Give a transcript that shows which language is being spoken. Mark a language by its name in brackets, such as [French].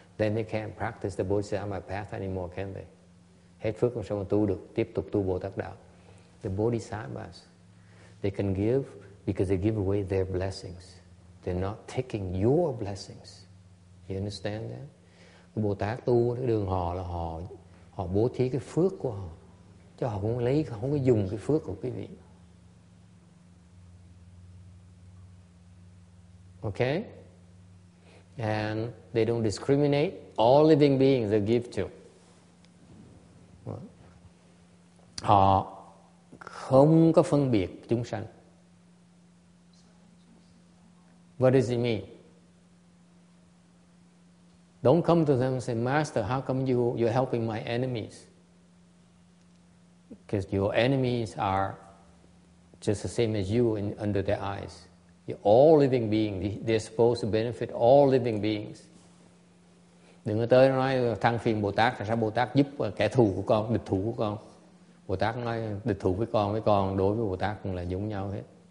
[English] Then they can't practice the Bodhisattva path anymore, can they? [Vietnamese] Hết phước không sao mà tu được, tiếp tục tu Bồ Tát đạo. [English] The Bodhisattvas, they can give because they give away their blessings. They're not taking your blessings. You understand that? [Vietnamese] Bồ Tát tu cái đường họ là họ họ bố thí cái phước của họ. Chứ họ không lấy, không có dùng cái phước của quý vị. [English] Okay? And they don't discriminate. All living beings they give to. [Vietnamese] Họ không có phân biệt chúng sanh. [English] What does it mean? Don't come to them and say, Master, how come you're helping my enemies? Because your enemies are just the same as you in, under their eyes. You're all living beings. They're supposed to benefit all living beings. [Vietnamese] Đừng có tới nói thăng phiền Bồ Tát, tại sao Bồ Tát giúp kẻ thù của con, địch thù của con. Bồ Tát nói địch thù với con đối với Bồ Tát cũng là giống nhau hết.